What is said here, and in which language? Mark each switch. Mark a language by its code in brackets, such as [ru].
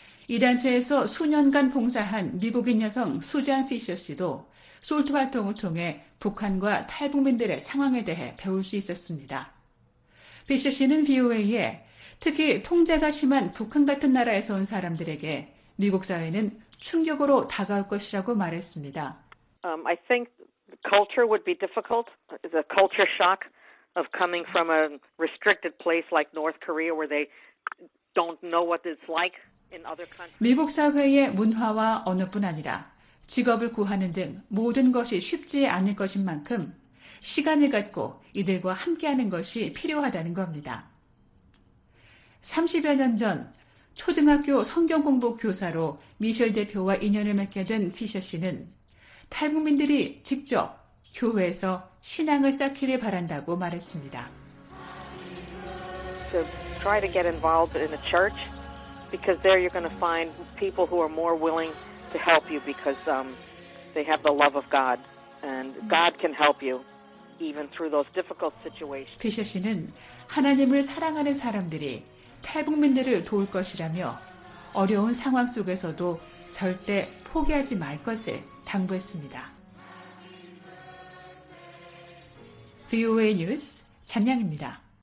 [ko] 이 단체에서 수년간 봉사한 미국인 여성 수잔 피셔 씨도 솔트 활동을 통해 북한과 탈북민들의 상황에 대해 배울 수 있었습니다. 피셔 씨는 VOA에 특히 통제가 심한 북한 같은 나라에서 온 사람들에게 미국 사회는 충격으로 다가올 것이라고 말했습니다. [en] I think culture would be difficult. The culture shock of coming from a restricted place like North Korea where they don't know what it's like in other countries. [ko] 미국 사회의 문화와 언어뿐 아니라 직업을 구하는 등 모든 것이 쉽지 않을 것인 만큼 시간을 갖고 이들과 함께하는 것이 필요하다는 겁니다. 30여 년 전 초등학교 성경공부 교사로 미셸 대표와 인연을 맺게 된 피셔 씨는 탈북민들이 직접 교회에서 신앙을 쌓기를 바란다고 말했습니다. [en] So try to get involved in a church because there you're going to find people who are more willing to help you because they have the love of God and God can help you even through those difficult situations. [ko] 피셔 씨는 하나님을 사랑하는 사람들이 탈북민들을 도울 것이라며 어려운 상황 속에서도 절대 포기하지 말 것을 당부했습니다. VOA 뉴스 장량입니다.